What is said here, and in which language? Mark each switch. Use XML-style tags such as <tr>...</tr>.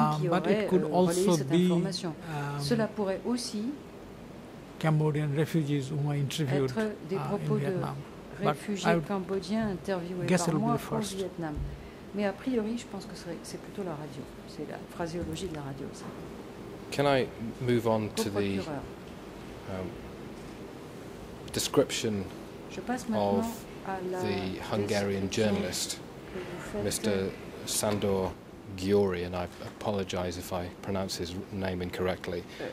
<en>But it could also be Cambodian refugees whom I interviewed in Vietnam.</en> <fr>Mais a priori, je pense que c'est plutôt la radio. C'est la phraseologie de la radio. Ça.</fr> <en>Can I move on to the description of the Hungarian journalist, Mr. Sándor Gyuri, and I apologize if I pronounce his name incorrectly.</en>